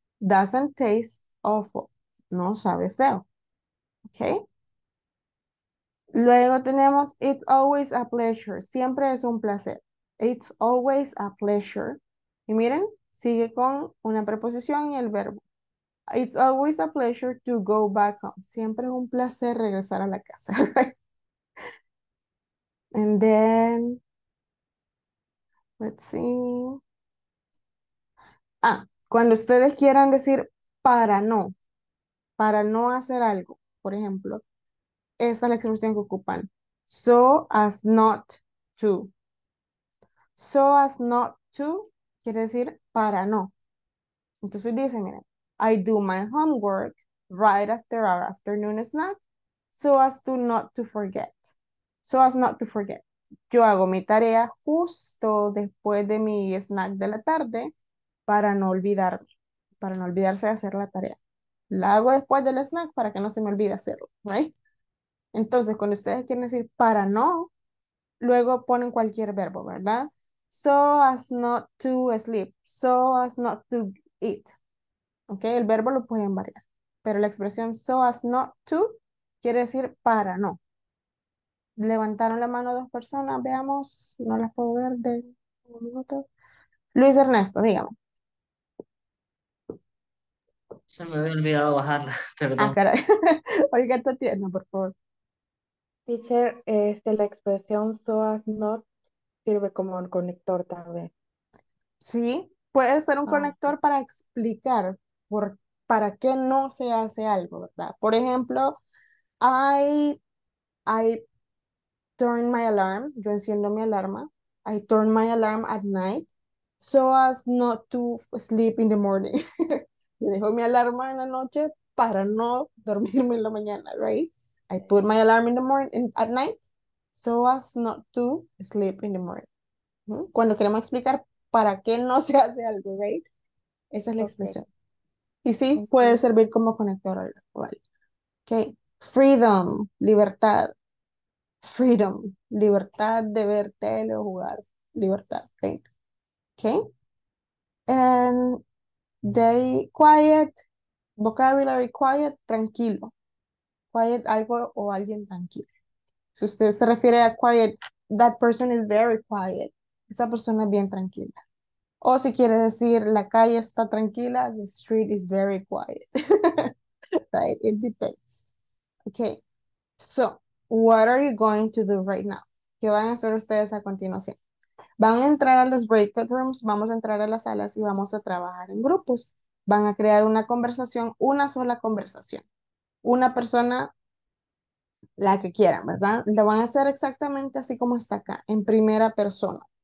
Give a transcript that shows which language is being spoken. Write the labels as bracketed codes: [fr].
[en] Doesn't taste awful. [es] No sabe feo. [en] Okay? [es] Luego tenemos, [en] it's always a pleasure. [es] Siempre es un placer. [en] It's always a pleasure. [es] Y miren, sigue con una preposición y el verbo. [en] It's always a pleasure to go back home. [es] Siempre es un placer regresar a la casa, [en] right? And then, let's see. [es] Ah, cuando ustedes quieran decir para no hacer algo, por ejemplo, esta es la expresión que ocupan. [en] So as not to. So as not to [es] quiere decir para no. Entonces dicen, miren, [en] I do my homework right after our afternoon snack so as to not to forget. so as not to forget. [es] Yo hago mi tarea justo después de mi snack de la tarde para no olvidarme, para no olvidarse de hacer la tarea. La hago después del snack para que no se me olvide hacerlo, right? Entonces, cuando ustedes quieren decir para no, luego ponen cualquier verbo, ¿verdad? [en] So as not to sleep, so as not to eat. [es] Okay, el verbo lo pueden variar, pero la expresión so as not to quiere decir para no. Levantaron la mano dos personas, veamos, no las puedo ver de un minuto. Luis Ernesto, dígame. Se me había olvidado bajarla, perdón. Ah, caray. Oiga, te atiendo, por favor. Teacher, la expresión so as not sirve como un conector también. Sí, puede ser un conector para explicar para qué no se hace algo, ¿verdad? Por ejemplo, [en] I turn my alarm, [es] yo enciendo mi alarma, [en] I turn my alarm at night so as not to sleep in the morning. [es] Yo dejo mi alarma en la noche para no dormirme en la mañana, right? [en] I put my alarm in the morning at night so as not to sleep in the morning. [es] Cuando queremos explicar para qué no se hace algo, right? Esa es la expresión. Y sí, puede servir como conector al cual. Okay. Freedom, libertad. Freedom, libertad de ver tele o jugar. Libertad, right? Okay. [en] And day, quiet, vocabulary, quiet, tranquilo. [es] Quiet, algo o alguien tranquilo. Si usted se refiere a quiet, [en] that person is very quiet. [es] Esa persona es bien tranquila. O si quiere decir, la calle está tranquila, [en] the street is very quiet. Right? It depends. [es] Okay. [en] So, what are you going to do right now? [es] ¿Qué van a hacer ustedes a continuación? Van a entrar a los breakout rooms, vamos a entrar a las salas y vamos a trabajar en grupos. Van a crear una conversación, una sola conversación. Una persona, la que quieran, ¿verdad? La van a hacer exactamente así como está acá, en primera persona.